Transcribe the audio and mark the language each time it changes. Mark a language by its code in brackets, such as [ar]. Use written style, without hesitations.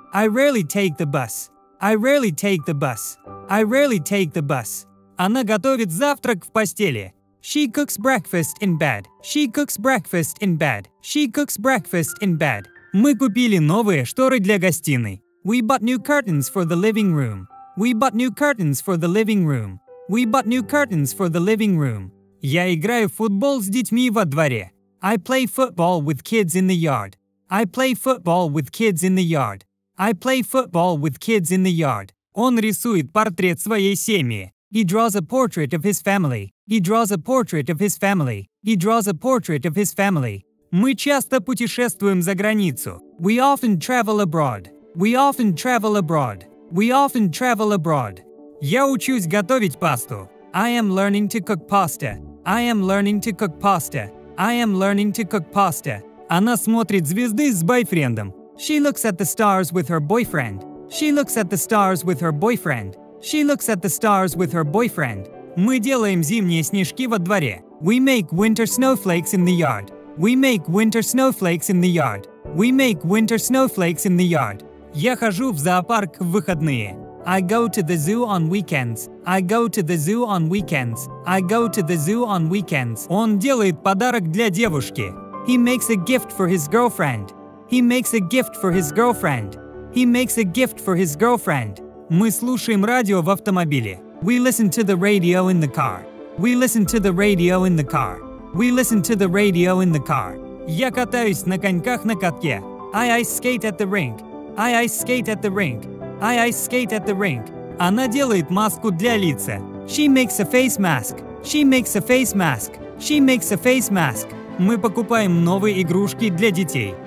[en] I rarely take the bus. I rarely take the bus. I rarely take the bus. [ru] Она готовит завтрак в постели. [en] She cooks breakfast in bed. She cooks breakfast in bed. She cooks breakfast in bed. [ru] Мы купили новые шторы для гостиной. [en] We bought new curtains for the living room. We bought new curtains for the living room. We bought new curtains for the living room. [ru] Я играю в футбол с детьми во дворе. [en] I play football with kids in the yard. I play football with kids in the yard. I play football with kids in the yard. [ru] Он рисует портрет своей семьи. [en] He draws a portrait of his family. He draws a portrait of his family. He draws a portrait of his family. [ru] Мы часто путешествуем за границу. [en] We often travel abroad. We often travel abroad. We often travel abroad. [ru] Я учусь готовить пасту. [en] I am learning to cook pasta. I am learning to cook pasta. I am learning to cook pasta. [ru] Она смотрит звезды с бойфрендом. [en] She looks at the stars with her boyfriend. She looks at the stars with her boyfriend. She looks at the stars with her boyfriend. [ru] Мы делаем зимние снежки во дворе. [en] We make winter snowflakes in the yard. We make winter snowflakes in the yard. We make winter snowflakes in the yard. [ru] Я хожу в зоопарк в выходные. [en] I go to the zoo on weekends. I go to the zoo on weekends. I go to the zoo on weekends. [ru] Он делает подарок для девушки. [en] He makes a gift for his girlfriend. He makes a gift for his girlfriend. He makes a gift for his girlfriend. [ru] Мы слушаем радио в автомобиле. [en] We listen to the radio in the car. We listen to the radio in the car. We listen to the radio in the car. [ru] Я катаюсь на коньках на катке. [en] I ice skate at the rink. I ice skate at the rink. I ice skate at the rink. [ru] Она делает маску для лица. [en] She makes a face mask. She makes a face mask. She makes a face mask. [ru] Мы покупаем новые игрушки для детей.